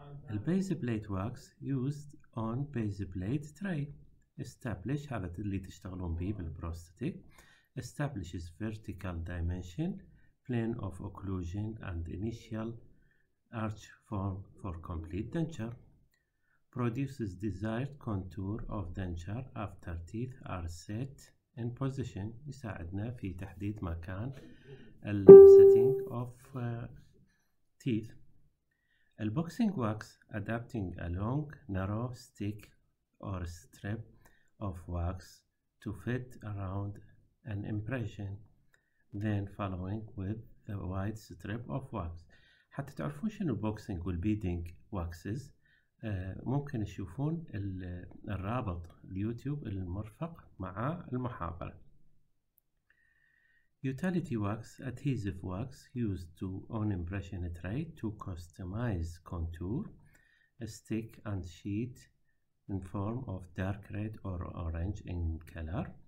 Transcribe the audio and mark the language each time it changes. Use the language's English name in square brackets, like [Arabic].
[English] The base plate wax used on base plate tray establish [Arabic] هذا اللي تشتغلون به بالبروستاتيك [English] establishes vertical dimension plane of occlusion and initial arch form for complete denture. Produces desired contour of denture after teeth are set in position. [Arabic] يساعدنا في تحديد مكان الـ [English] setting of teeth. Boxing wax adapting a long narrow stick or strip of wax to fit around an impression, then following with the wide strip of wax. [Arabic] حتى تعرفون شنو البوكسينج والبيدينج واكسز، ممكن تشوفون الرابط اليوتيوب المرفق مع المحاضرة. [English] Utility wax, adhesive wax used to on impression tray to customize contour, a stick and sheet in form of dark red or orange in color.